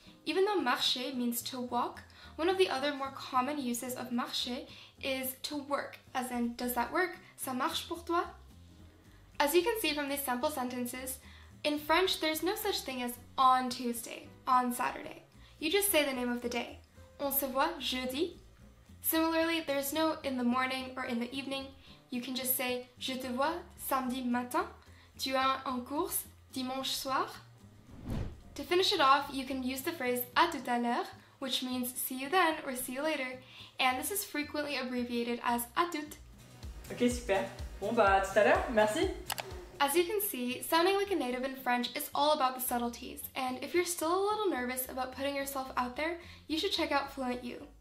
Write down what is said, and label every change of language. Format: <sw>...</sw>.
<en>Even though marcher means to walk, one of the other more common uses of marcher is to work, as in, does that work?</en> <fr>Ça marche pour toi?</fr> <en>As you can see from these sample sentences, in French there's no such thing as on Tuesday, on Saturday. You just say the name of the day.</en> <fr>On se voit jeudi.</fr> <en>Similarly, there's no in the morning or in the evening. You can just say</en> <fr>je te vois samedi matin. Tu as en cours dimanche soir.</fr> <en>To finish it off, you can use the phrase</en> <fr>à tout à l'heure,</fr> <en>which means see you then or see you later, and this is frequently abbreviated as à tout.</en> <fr>Okay, super. Bon bah, à tout à l'heure. Merci.</fr> <en>As you can see, sounding like a native in French is all about the subtleties, and if you're still a little nervous about putting yourself out there, you should check out FluentU.</en>